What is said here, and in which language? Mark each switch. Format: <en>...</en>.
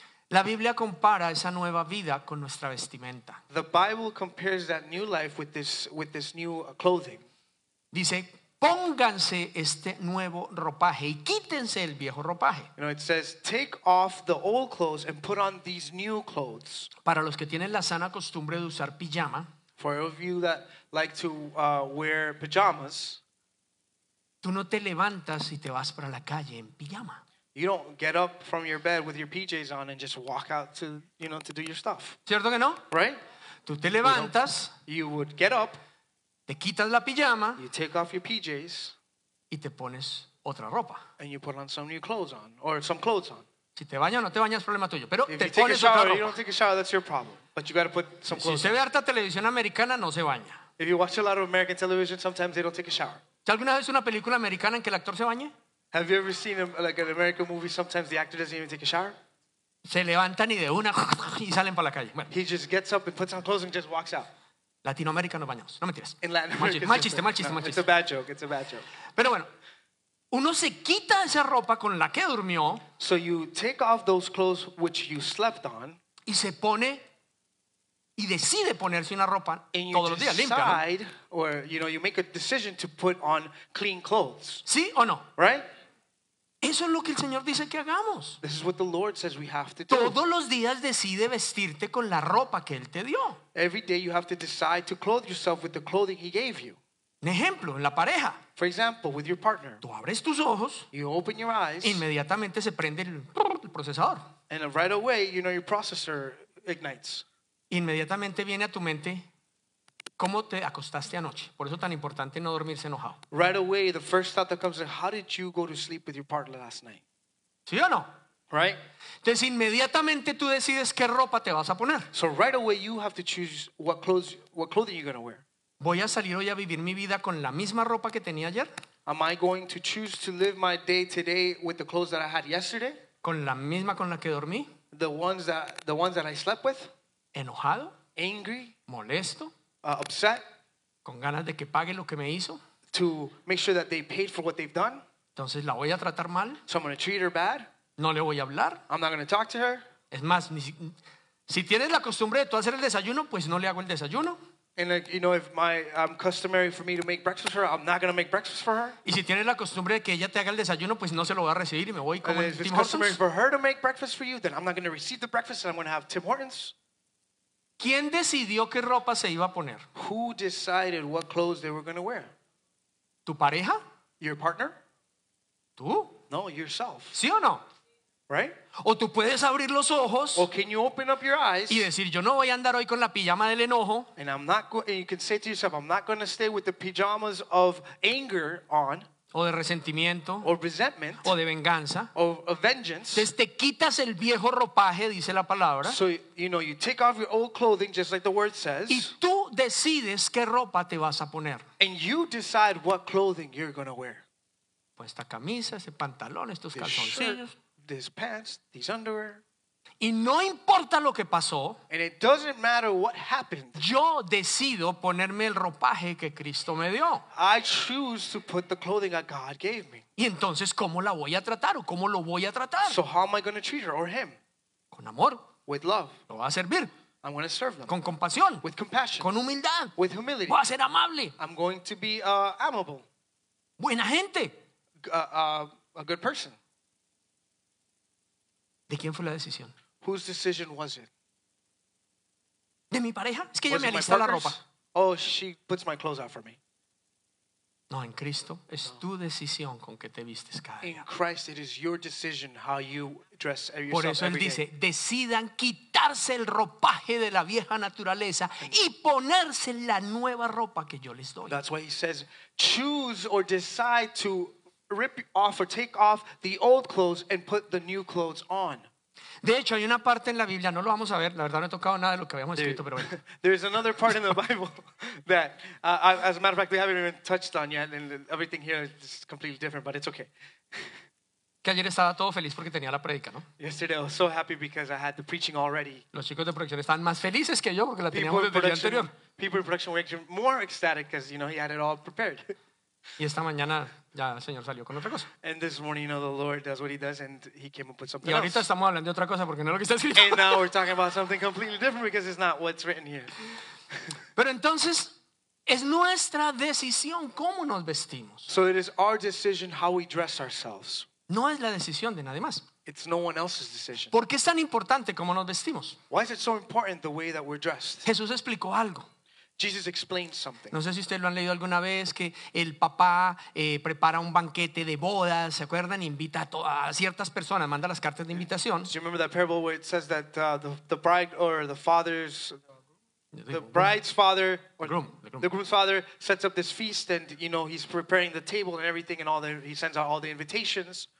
<es>La Biblia compara esa nueva vida con nuestra vestimenta.</es> <en>The Bible compares that new life with this new clothing.</en> <es>Dice, pónganse este nuevo ropaje y quítense el viejo ropaje.</es> <en>You know, it says, take off the old clothes and put on these new clothes.</en> <es>Para los que tienen la sana costumbre de usar pijama.</es> <en>For those of you that like to wear pajamas.</en> <es>Tú no te levantas y te vas para la calle en pijama.</es> <en>You don't get up from your bed with your PJs on and just walk out to, you know, to do your stuff.</en> <es>¿Cierto que no?</es> <en>Right?</en> <es>Tú te levantas.</es> <en>You would get up.</en> <es>Te quitas la pijama.</es> <en>You take off your PJs.</en> <es>Y te pones otra ropa.</es> <en>And you put on some new clothes on, or some clothes on.</en> <es>Si te bañas o no te bañas, problema tuyo. Pero</es> <en>if</en> <es>te</es> <en>you take</en> <es>pones</es> <en>a shower,</en> <es>otra ropa.</es> <en>You don't take a shower, that's your problem. But you got to put some clothes</en> <es>si</es> <en>on.</en> <es>Si se ve harta televisión americana, no se baña.</es> <en>If you watch a lot of American television, sometimes they don't take a shower.</en> <es>¿Alguna vez una película americana en que el actor se bañe?</es> <en>Have you ever seen like an American movie? Sometimes the actor doesn't even take a shower.</en> <es>Se levantan y de una y salen para la calle.</es> <en>He just gets up and puts on clothes and just walks out.</en> <es>Latinoamérica no bañamos. No mentiras.</es> <en>In Latin America,</en> <es>mal chiste.</es> <en>It's a bad joke. It's a bad joke.</en> <es>Pero bueno, uno se quita esa ropa con la que durmió.</es> <en>So you take off those clothes which you slept on.</en> <es>Y se pone y decide ponerse una ropa todos los días limpia.</es> <en>And you decide, or you know, you make a decision to put on clean clothes.</en> <es>¿Sí o no?</es> <en>Right.</en> <es>Eso es lo que el Señor dice que hagamos.</es> <en>This is what the Lord says we have to do.</en> <es>Todos los días decide vestirte con la ropa que Él te dio.</es> <en>Every day you have to decide to clothe yourself with the clothing He gave you.</en> <es>Un ejemplo, en la pareja.</es> <en>For example, with your partner.</en> <es>Tú abres tus ojos.</es> <en>You open your eyes.</en> <es>Inmediatamente se prende el procesador.</es> <en>And right away, you know, your processor ignites.</en> <es>Inmediatamente viene a tu mente, ¿cómo te acostaste anoche? Por eso tan importante no dormirse enojado.</es> <en>Right away, the first thought that comes is, how did you go to sleep with your partner last night?</en> <es>¿Sí o no?</es> <en>Right?</en> <es>Entonces, inmediatamente tú decides qué ropa te vas a poner.</es> <en>So right away, you have to choose what clothing you're going to wear.</en> <es>¿Voy a salir hoy a vivir mi vida con la misma ropa que tenía ayer?</es> <en>Am I going to choose to live my day today with the clothes that I had yesterday?</en> <es>¿Con la misma con la que dormí?</es> <en>The ones that I slept with?</en> <es>¿Enojado?</es> <en>Angry?</en> <es>¿Molesto?</es> <en>Upset,</en> <es>con ganas de que pague lo que me hizo,</es> <en>to make sure that they paid for what they've done.</en> <es>Entonces la voy a tratar mal.</es> <en>So I'm going to treat her bad.</en> <es>No le voy a hablar.</es> <en>I'm not going to talk to her.</en> <es>Es más, si tienes la costumbre de tú hacer el desayuno, pues no le hago el desayuno.</es> <en>And like, you know, if my customary for me to make breakfast for her, I'm not going to make breakfast for her.</en> <es>Y si tienes la costumbre de que ella te haga el desayuno, pues no se lo voy a recibir y me voy como Tim Hortons.</es> <en>Customary for her to make breakfast for you, then I'm not going to receive the breakfast and I'm going to have Tim Hortons.</en> <es>¿Quién decidió qué ropa se iba a poner?</es> <en>Who decided what clothes they were going to wear?</en> <es>¿Tu pareja?</es> <en>Your partner?</en> <es>¿Tú?</es> <en>No, yourself.</en> <es>¿Sí o no?</es> <en>Right?</en> <es>¿O tú puedes abrir los ojos?</es> <en>Or can you open up your eyes?</en> <es>Y decir, yo no voy a andar hoy con la pijama del enojo.</es> <en>And you can say to yourself, I'm not going to stay with the pajamas of anger on.</en> <es>O de resentimiento.</es> <en>Or resentment.</en> <es>O de venganza.</es> <en>Or of vengeance.</en> <es>Entonces te quitas el viejo ropaje, dice la palabra.</es> <en>So, you know, you take off your old clothing, just like the word says.</en> <es>Y tú decides qué ropa te vas a poner.</es> <en>And you decide what clothing you're going to wear.</en> <es>pues esta camisa, ese pantalón, estos calzoncillos.</es> <en>These pants, these underwear.</en> <es>Y no importa lo que pasó.</es> <en>And it doesn't matter what happened.</en> <es>Yo decido ponerme el ropaje que Cristo me dio.</es> <en>I choose to put the clothing that God gave me.</en> <es>Y entonces, ¿cómo la voy a tratar o cómo lo voy a tratar?</es> <en>So how am I going to treat her or him?</en> <es>Con amor.</es> <en>With love.</en> <es>Lo voy a servir.</es> <en>I'm going to serve them.</en> <es>Con compasión.</es> <en>With compassion.</en> <es>Con humildad.</es> <en>With humility.</en> <es>Voy a ser amable.</es> <en>I'm going to be amable.</en> <es>Buena gente.</es> <en>A good person.</en> <es>¿De quién fue la decisión?</es> <en>Whose decision was it?</en> <es>¿De mi pareja? Es que ella me alista la ropa.</es> <en>Oh, she puts my clothes out for me.</en> <es>No, en Cristo es tu decisión con que te vistes cada día.</es> <en>In Christ it is your decision how you dress yourself every day.</en> <es>Por eso él dice, decidan quitarse el ropaje de la vieja naturaleza y ponerse la nueva ropa que yo les doy.</es> <en>That's why he says, choose or decide to rip off or take off the old clothes and put the new clothes on.</en> <es>De hecho, hay una parte en la Biblia, no lo vamos a ver, la verdad no he tocado nada de lo que habíamos escrito, pero bueno.</es> <en>There's another part in the Bible that, as a matter of fact, we haven't even touched on yet, and everything here is completely different, but it's okay.</en> <es>Que ayer estaba todo feliz porque tenía la predica, ¿no?</es> <en>Yesterday I was so happy because I had the preaching already.</en> <es>Los chicos de producción estaban más felices que yo porque la teníamos desde el día anterior.</es> <en>People in production were more ecstatic because, you know, he had it all prepared.</en> <es>Y esta mañana ya el Señor salió con otra cosa.</es> <en>And this morning, you know, the Lord does what he does and he came and put something else.</en> <es>Y ahorita estamos hablando de otra cosa porque no es lo que está escrito.</es> <en>And now we're talking about something completely different because it's not what's written here.</en> <es>Pero entonces, es nuestra decisión cómo nos vestimos.</es> <en>So it is our decision how we dress ourselves.</en> <es>No es la decisión de nadie más.</es> <en>It's no one else's decision.</en> <es>¿Por qué es tan importante cómo nos vestimos?</es> <en>Why is it so important the way that we're dressed?</en> <es>Jesús explicó algo.</es> <en>Jesus explained something.</en> <es>No sé si ustedes lo han leído alguna vez que el papá prepara un banquete de bodas, ¿se acuerdan? Invita a ciertas personas, manda las cartas de invitación.</es> <en>Do you remember that parable where it says that the bride or the father's the bride's father or the groom's father sets up this feast and, you know, he's preparing the table and everything and all the he sends out all the invitations.</en>